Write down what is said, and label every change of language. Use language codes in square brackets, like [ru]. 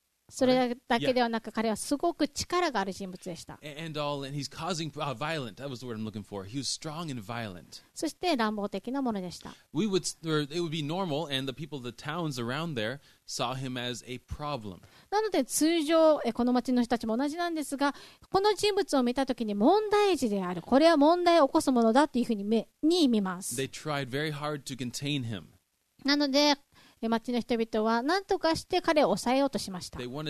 [ja] それだけではなく、彼はすごく力がある人物でした。 [en] And all, and he's causing, violent. That was the word I'm looking for. He was strong and violent. [ja] そして乱暴的なものでした。 [en] We would, or it would be normal, and the people of the towns around there saw him as a problem. [ja] なので通常この町の人たちも同じなんですが、この人物を見たときに問題児である。これは問題を起こすものだというふうに見ます。 [en] They tried very hard to contain him. [ja] なので町の人々は何とかして彼を抑えようとしました。